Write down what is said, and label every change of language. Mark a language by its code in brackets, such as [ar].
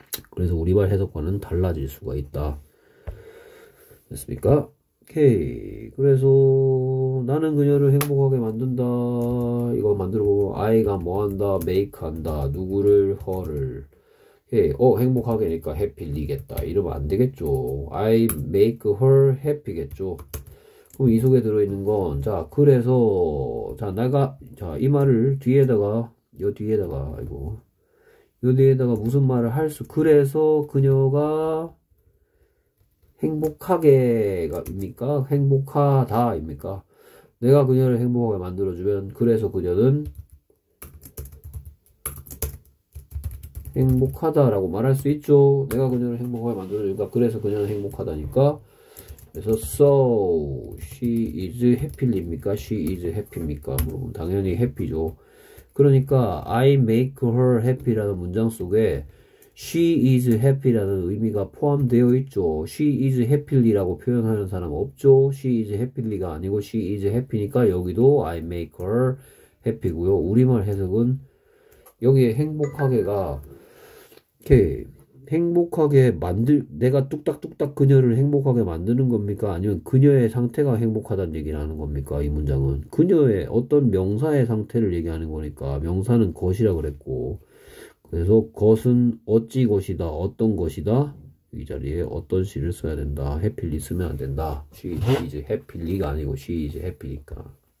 [ko] 그래서 우리말 해석과는 달라질 수가 있다. 됐습니까? 오케이. 그래서 나는 그녀를 행복하게 만든다. 이거 만들어보면 아이가 뭐 한다, 메이크 한다, 누구를, 허를. 예, 행복하게니까 해피리겠다. 이러면 안 되겠죠. [en] I make her happy겠죠. [ko] 그럼 이 속에 들어있는 건, 자, 그래서, 자, 내가, 자, 이 말을 뒤에다가, 요 뒤에다가, 아이고, 요 뒤에다가 무슨 말을 할 수, 그래서 그녀가 행복하게가입니까? 행복하다입니까? 내가 그녀를 행복하게 만들어주면, 그래서 그녀는 행복하다라고 말할 수 있죠. 내가 그녀를 행복하게 만들어주니까 그래서 그녀는 행복하다니까. 그래서 [en] so she is happy입니까? she is happy입니까? [ko] 물어보면 당연히 happy죠. 그러니까 [en] I make her happy [ko] 라는 문장 속에 [en] she is happy [ko] 라는 의미가 포함되어 있죠. [en] she is happily [ko] 라고 표현하는 사람 없죠. [en] she is happily가 아니고 she is happy니까 여기도 I make her happy고요. [ko] 우리말 해석은 여기에 행복하게가 이렇게 행복하게 만들 내가 뚝딱뚝딱 그녀를 행복하게 만드는 겁니까? 아니면 그녀의 상태가 행복하다는 얘기를 하는 겁니까? 이 문장은 그녀의 어떤 명사의 상태를 얘기하는 거니까 명사는 것이라 그랬고 그래서 것은 어찌 것이다 어떤 것이다 이 자리에 어떤 시를 써야 된다 해피리 쓰면 안 된다 [en] she is happily [ko] 가 아니고 [en] she is happy [ko] 니까.